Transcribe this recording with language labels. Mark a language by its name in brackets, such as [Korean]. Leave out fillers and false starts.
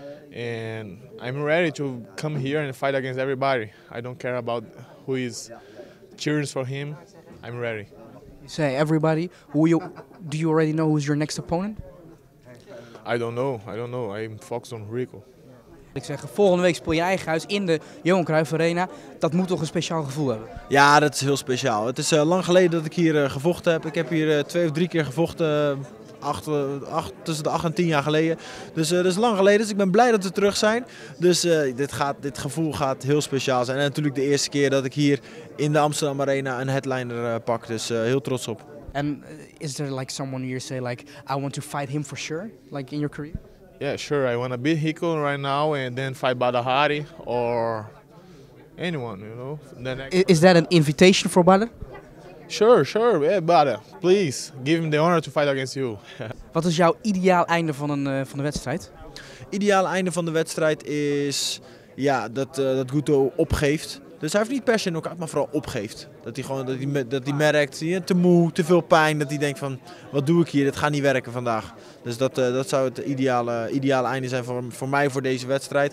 [English] And I'm ready to come here and fight against everybody. I don't care about who is cheering for him. I'm ready. Say everybody, do you already know who's your next opponent? I don't know. I'm focused on Rico. [Dutch] Ik zeg, volgende week speel je eigen huis in de Johan Cruijff Arena. Dat moet toch een speciaal gevoel hebben? Ja, dat is heel speciaal. Het is lang geleden dat ik hier gevochten heb. Ik heb hier 2 of 3 keer gevochten, tussen de 8 en 10 jaar geleden. Dus dat is lang geleden, dus ik ben blij dat we terug zijn. Dus dit gevoel gaat heel speciaal zijn. En natuurlijk de eerste keer dat ik hier in de Amsterdam Arena een headliner pak. Dus heel trots op. [English] And is there like someone you say like I want to fight him for sure, like in your career? Yeah, sure. I want to beat Rico right now and then fight Badr Hari or anyone, you know. Is that an invitation for Badr? Sure. Yeah, Badr. Please give him the honor to fight against you. [Dutch] Wat is jouw ideaal einde van de wedstrijd? Ideaal einde van de wedstrijd is dat Guto opgeeft. Dus hij heeft niet per se knock-out, maar vooral opgeeft. Dat hij merkt, te moe, te veel pijn. Dat hij denkt van, wat doe ik hier? Dit gaat niet werken vandaag. Dus dat zou het ideale einde zijn voor mij voor deze wedstrijd.